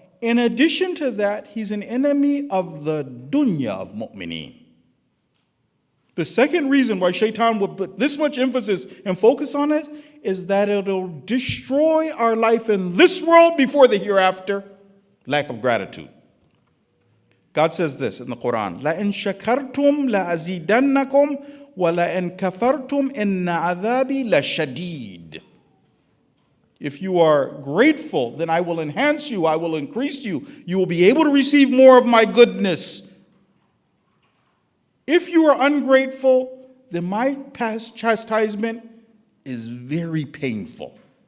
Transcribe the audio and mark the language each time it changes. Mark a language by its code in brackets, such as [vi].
[en] In addition to that, he's an enemy of the dunya of mu'mineen. The second reason why Shaitan would put this much emphasis and focus on it is that it'll destroy our life in this world before the hereafter. Lack of gratitude. God says this in the Quran, [ar] لَإِن شَكَرْتُمْ لَأَزِيدَنَّكُمْ وَلَإِن كَفَرْتُمْ إِنَّ عَذَابِي لَشَدِيدٌ. [en] If you are grateful, then I will enhance you, I will increase you. You will be able to receive more of my goodness. If you are ungrateful, then my past chastisement is very painful.